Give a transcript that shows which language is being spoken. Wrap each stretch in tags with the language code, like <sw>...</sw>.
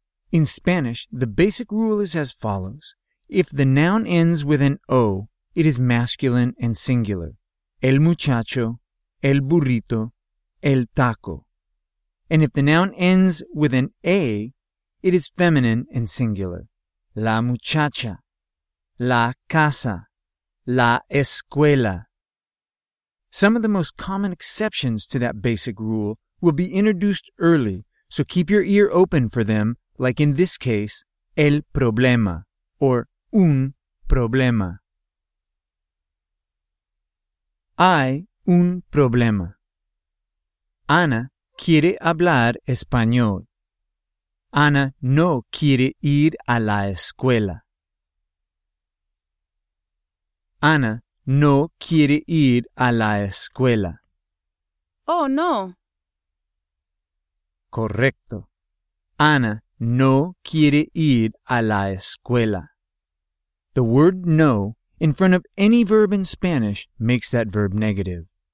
<en>In Spanish, the basic rule is as follows. If the noun ends with an O, it is masculine and singular.</en> <es>El muchacho, el burrito, el taco.</es> <en>And if the noun ends with an A, it is feminine and singular.</en> <es>La muchacha, la casa, la escuela.</es> <en>Some of the most common exceptions to that basic rule will be introduced early, so keep your ear open for them. Like in this case,</en> <es>el problema,</es> <en>or</en> <es>un problema. Hay un problema. Ana quiere hablar español. Ana no quiere ir a la escuela. Ana no quiere ir a la escuela. Oh, no. Correcto. Ana no quiere ir a la escuela.</es> <en>The word no in front of any verb in Spanish makes that verb negative.</en>